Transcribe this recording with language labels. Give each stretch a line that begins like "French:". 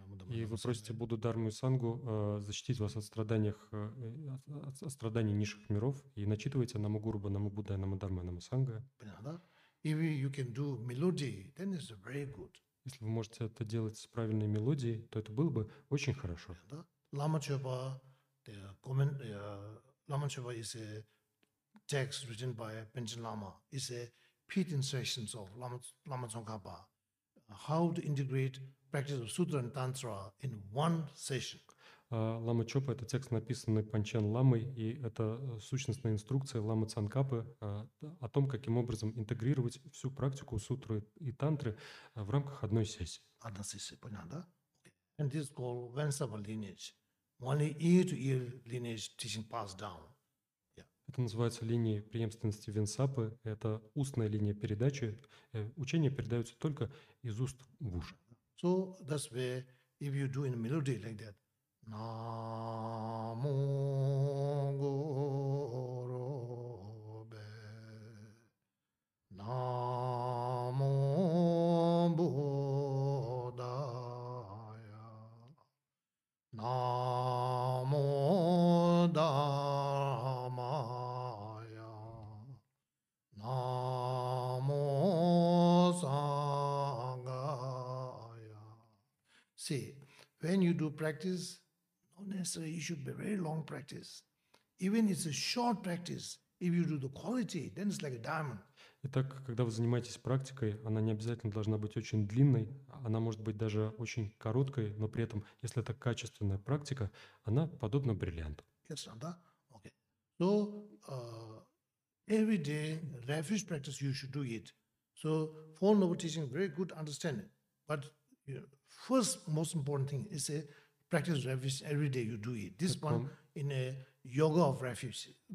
Russian: И вы просите Будду, Дарму и Сангу защитить вас от страданий низших миров и начитывайте Наму Гурубе, Наму Буддая, Наму Дармая, Наму Сангха.
English: If you can do melody, then it's very good.
Russian: Если вы можете это делать с правильной мелодией, то это было бы очень хорошо.
English: Lama Chöpa, the comment, Lama Chöpa is a text written by Panchen Lama. It's a pit instructions of Lama Tsongkhapa. How to integrate practice of sutra and tantra in one session.
Russian: Лама Чопа — это текст, написанный Панчен Ламой, и это сущностная инструкция Ламы Цанкапы о том, каким образом интегрировать всю практику сутры и тантры в рамках одной сессии. Одна сессия, понятно, да?
English: And this is called Vansava lineage. Only ear-to-ear lineage teaching passed down.
Russian: Это называется линией преемственности Венсапы. Это устная линия передачи. Учения передаются только из уст в уши.
English: So that's where, if you do in a melody like that, Namo Gurubhe, Namo Buddhaya, Namo Dharmaya, Namo Sanghaya. See, when you do practice, not necessarily it should be a very long practice. Even if it's a short practice, if you do the quality, then it's like a diamond.
Russian: Итак, когда вы занимаетесь практикой, она не обязательно должна быть очень длинной, она может быть даже очень короткой, но при этом, если это качественная практика, она подобна бриллианту.
English: Yes, да? Okay. So, every day, refuge practice, you should do it. So, four noble teaching, very good understanding. But, you know, first, most important thing is a practice refuge every day you do it. This one in a yoga of refuge.